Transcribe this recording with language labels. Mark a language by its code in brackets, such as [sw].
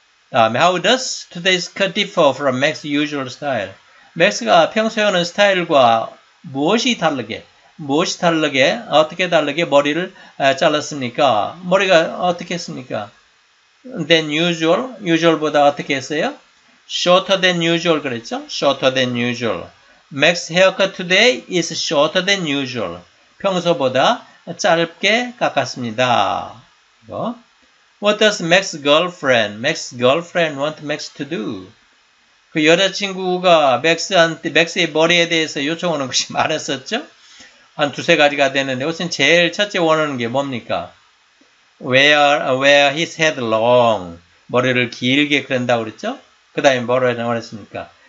[ko] 다음에 [en] how does today's cut differ from Max's usual style? [ko] 맥스가 평소에 하는 스타일과 어떻게 다르게 머리를 잘랐습니까? 머리가 어떻게 했습니까? [en] Than usual, usual보다 [ko] 어떻게 했어요? [en] Shorter than usual [ko] 그랬죠? [en] Shorter than usual. Max haircut today is shorter than usual. [ko] 평소보다 짧게 깎았습니다. 이거. [en] What does Max's girlfriend want Max to do? [ko] 그 여자친구가 맥스의 머리에 대해서 요청하는 것이 많았었죠? 한 두세 가지가 되는데, 우선 제일 첫째 원하는 게 뭡니까? [en] Wear his head long. [ko] 머리를 길게 그린다고 그랬죠? 그 다음에 뭐라고 했습니까?